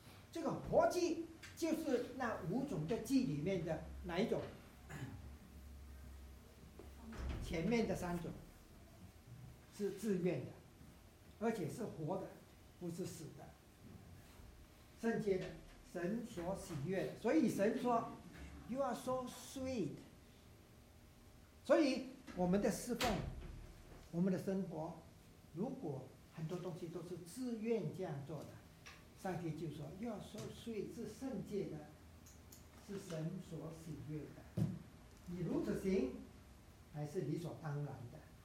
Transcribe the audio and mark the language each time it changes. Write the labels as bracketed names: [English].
[Chinese] 这个活祭就是那五种的祭里面的哪一种？前面的三种是自愿的，而且是活的，不是死的，圣洁的，神所喜悦的。所以神说 [English] You are so sweet。 [Chinese] 所以我们的侍奉，我们的生活，如果很多东西都是自愿这样做的，上帝就说 [English] You are so sweet， [Chinese] 是圣洁的，是神所喜悦的，你如此行还是理所当然的。